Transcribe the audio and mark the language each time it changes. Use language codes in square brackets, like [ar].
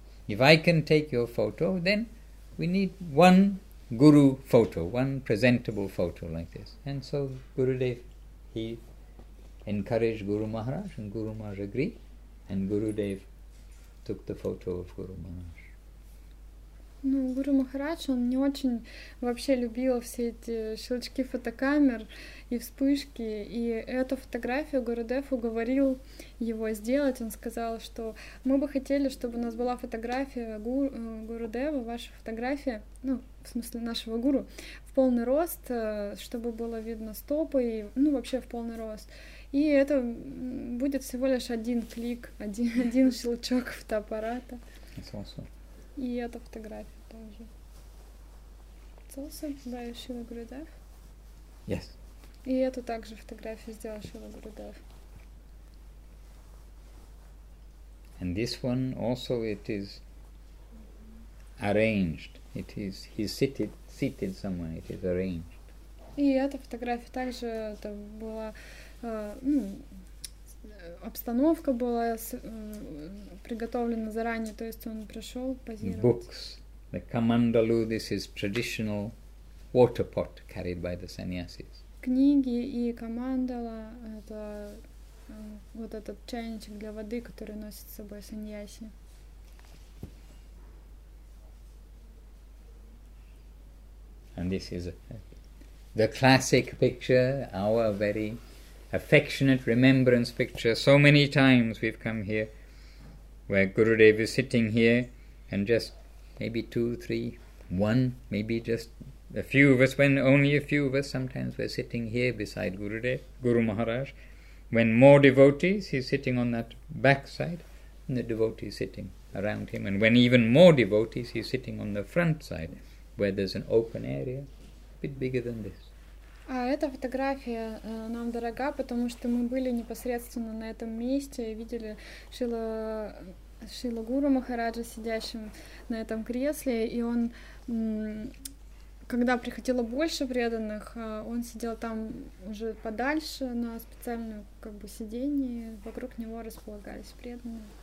[en] If I can take your photo, then we need one Guru photo, one presentable photo like this. And so Gurudev, he encouraged Guru Maharaj, and Guru Maharaj agreed. And Gurudev took the photo of Guru Maharaj. [ru] Ну, Гуру Махарадж, он не очень вообще любил все эти щелчки фотокамер и вспышки. И эту фотографию Гурудев уговорил его сделать. Он сказал, что мы бы хотели, чтобы у нас была фотография Гурудева, ваша фотография, ну, в смысле нашего гуру, в полный рост, чтобы было видно стопы, и, ну, вообще в полный рост. И это будет всего лишь один клик, один щелчок фотоаппарата. [en] It's also. [ru] И эта фотография тоже. [en] It's also by Shiva Gurudev. Yes. [ru] И эту также фотографию сделал Shiva Gurudev. [en] And this one also it is arranged. It is he's seated somewhere. It is arranged. [ru] И эта фотография также это была. Ну, обстановка была приготовлена заранее, то есть он пришел позировать. [en] Books, the kamandalu, this is traditional water pot carried by the sannyasis. [ru] Книги и камандала это вот этот чайничек для воды, который носит с собой саньяси. [en] And this is the classic picture, our very affectionate remembrance picture. So many times we've come here where Gurudev is sitting here and just maybe two, three, one, maybe just a few of us, when only a few of us sometimes we're sitting here beside Gurudev, Guru Maharaj. When more devotees, he's sitting on that back side and the devotee is sitting around him. And when even more devotees, he's sitting on the front side where there's an open area, a bit bigger than this. [ru] А эта фотография нам дорога, потому что мы были непосредственно на этом месте и видели Шрила Гуру Махараджа, сидящим на этом кресле. И он, когда приходило больше преданных, он сидел там уже подальше на специальном как бы сиденье, вокруг него располагались преданные.